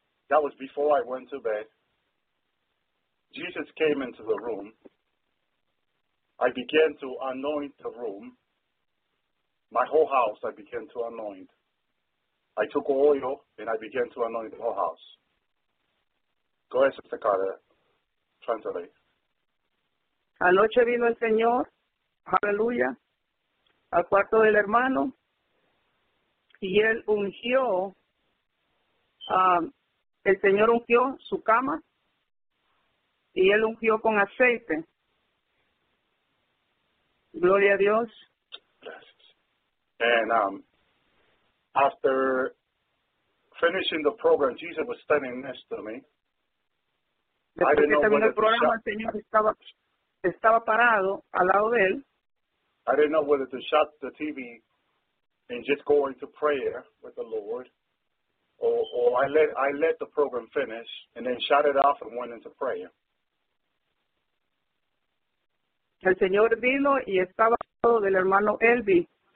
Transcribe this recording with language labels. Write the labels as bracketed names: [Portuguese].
[English] That was before I went to bed. Jesus came into the room, I began to anoint the room, my whole house. I began to anoint. I took oil and I began to anoint the whole house. Go ahead, Sister Carter. Translate. [Spanish] Anoche vino el Señor, aleluya, al cuarto del hermano, y él ungió, el Señor ungió su cama, y él ungió con aceite. Gloria a Dios. Gracias. [English] And after finishing the program, Jesus was standing next to me. [Spanish] Después que terminó el programa, el Señor estaba parado al lado de él. [English] I didn't know whether to shut the TV and just go into prayer with the Lord, or I let the program finish and then shut it off and went into prayer. [Spanish] El Señor vino y estaba todo del hermano Elvi.